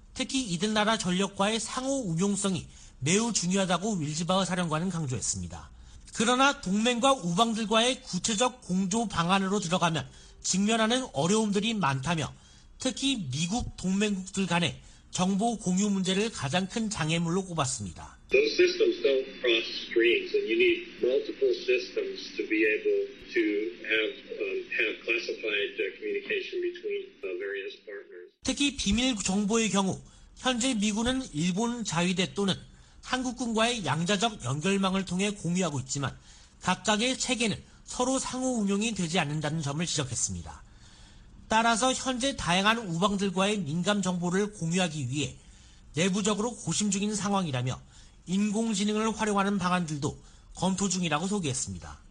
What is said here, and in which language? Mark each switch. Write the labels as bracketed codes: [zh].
[ko] 특히 이들 나라 전력과의 상호 운용성이 매우 중요하다고 윌즈바흐 사령관은 강조했습니다. 그러나 동맹과 우방들과의 구체적 공조 방안으로 들어가면 직면하는 어려움들이 많다며 특히 미국 동맹국들 간의 정보 공유 문제를 가장 큰 장애물로 꼽았습니다. [en] Those systems don't cross streams and you need multiple systems to be able to have classified communication between various partners. [ko] 특히 비밀 정보의 경우 현재 미군은 일본 자위대 또는 한국군과의 양자적 연결망을 통해 공유하고 있지만 각각의 체계는 서로 상호 운용이 되지 않는다는 점을 지적했습니다. 따라서 현재 다양한 우방들과의 민감 정보를 공유하기 위해 내부적으로 고심 중인 상황이라며 인공지능을 활용하는 방안들도 검토 중이라고 소개했습니다.